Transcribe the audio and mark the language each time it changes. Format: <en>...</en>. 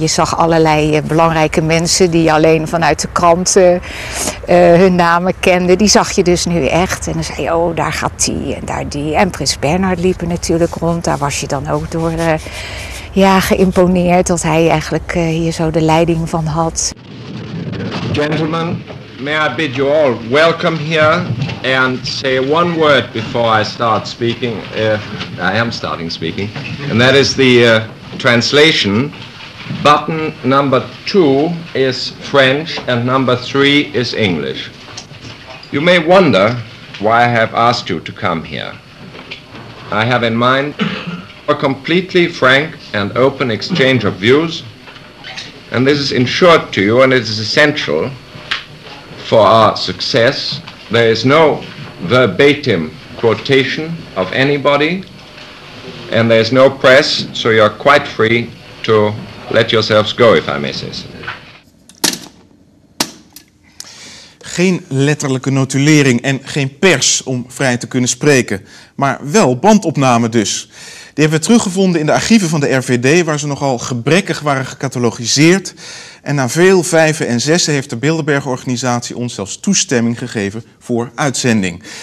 <nl>Je zag allerlei belangrijke mensen die alleen vanuit de kranten hun namen kenden. Die zag je dus nu echt. En dan zei je, oh, daar gaat die en daar die. En Prins Bernhard liep er natuurlijk rond. Daar was je dan ook door geïmponeerd dat hij eigenlijk hier zo de leiding van had.</nl> <en>Gentlemen, may I bid you all welcome here. And say one word before I start speaking. I am starting speaking. And that is the translation. Button number 2 is French and number 3 is English. You may wonder why I have asked you to come here. I have in mind a completely frank and open exchange of views. And this is ensured to you and it is essential for our success. There is no verbatim quotation of anybody, and there is no press, so you are quite free to let yourselves go, if I may say so.</en> <nl>Geen letterlijke notulering en geen pers om vrij te kunnen spreken, maar wel bandopname dus. Die hebben we teruggevonden in de archieven van de RVD, waar ze nogal gebrekkig waren gecatalogiseerd. En na veel vijven en zessen heeft de Bilderberg-organisatie ons zelfs toestemming gegeven voor uitzending.</nl>